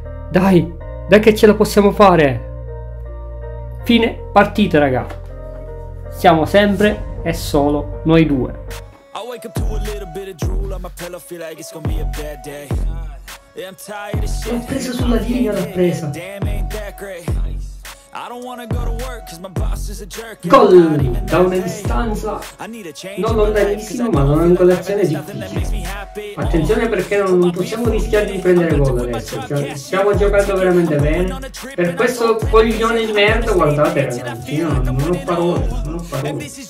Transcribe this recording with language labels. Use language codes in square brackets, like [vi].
[it] Dai! Dai che ce la possiamo fare! Fine partita, raga. Siamo sempre e solo noi due. [en] I wake up to a little bit of drool on my pillow, feel like it's gonna be a bad day. I'm tired of shit. [it] Preso sulla linea l'ha presa. [en] Damn, ain't that great. I don't wanna go to work cause my boss is a jerk. [it] Gol da una distanza non lontanissimo, ma non in collezione difficile. Attenzione, perché non possiamo rischiare di prendere gol adesso, cioè, stiamo giocando veramente bene. Per questo coglione di merda, guardate ragazzi, io non ho parole, non ho parole.